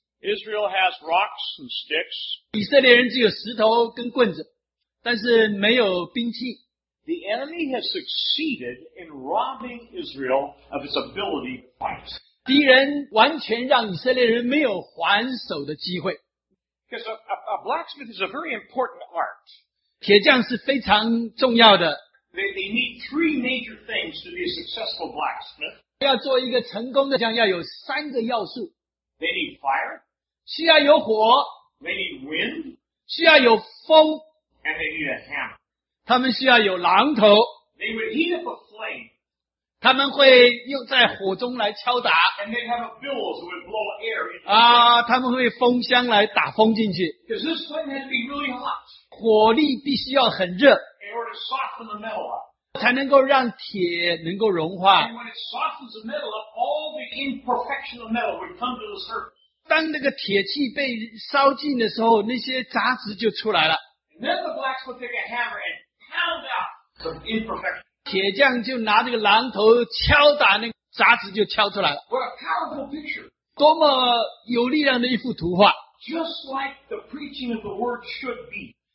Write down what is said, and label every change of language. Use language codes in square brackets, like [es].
[en] Israel has rocks and sticks. [zh] 以色列人只有石头跟棍子，但是没有兵器。 [en] The enemy has succeeded in robbing Israel of its ability to fight. [zh] 敌人完全让以色列人没有还手的机会。 [en] Because a blacksmith is a very important art. [zh] 铁匠是非常重要的。 [en] They need three major things to be a successful blacksmith. [zh] 要做一个成功的匠要有三个要素。 [en] They need fire. [zh] 需要有火, [en] they need wind, [zh] 需要有风, [en] and they need a hammer. [zh] 他们需要有榔头, [en] they would heat up a flame, [zh] 他们会用在火中来敲打, [en] and they have a bellows that would blow air into the flame. [zh] 他们会风箱来打风进去, [en] because this flame had to be really hot, [zh] 火力必须要很热, [en] in order to soften the metal up. [zh] 才能够让铁能够融化, [en] and when it softens the metal up, all the imperfection of metal would come to the surface. [zh] 当那个铁器被烧尽的时候, 那些杂质就出来了。 [en] Then the blacksmith took a hammer and pound out the imperfection. [zh] 铁匠就拿这个榔头敲打那个杂质就敲出来了。 [en] What a powerful picture. [zh] 多么有力量的一幅图画。 [en] Just like the preaching of the word should be.